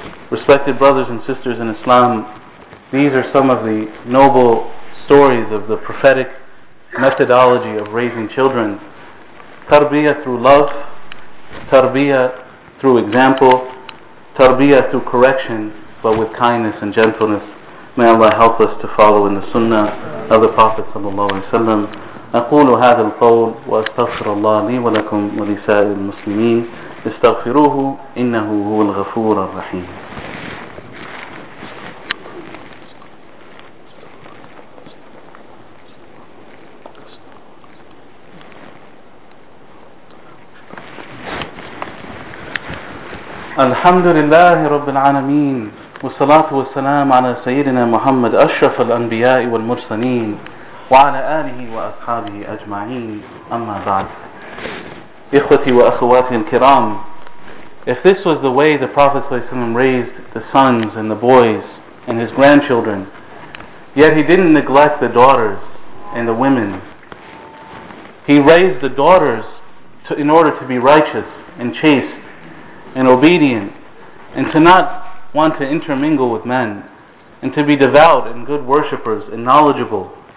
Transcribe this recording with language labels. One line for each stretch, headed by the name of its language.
English: Respected brothers and sisters in Islam, these are some of the noble stories of the prophetic methodology of raising children. Tarbiyah through love, tarbiyah through example, tarbiyah through correction, but with kindness and gentleness. May Allah help us to follow in the sunnah of the Prophet sallallahu alaihi wasallam.
Arabic: أقول هذا القول وأستغفر الله لي ولكم ولسائر المسلمين استغفروه إنه هو الغفور الرحيم. الحمد لله رب العالمين والصلاة والسلام على سيدنا محمد أشرف الأنبياء والمرسلين وعلى آله وأصحابه أجمعين أما بعد. إخوتي وأخواتي الكرام,
English: if this was the way the Prophet ﷺ raised the sons and the boys and his grandchildren, yet he didn't neglect the daughters and the women. He raised the daughters in order to be righteous and chaste and obedient, and to not want to intermingle with men, and to be devout and good worshippers and knowledgeable.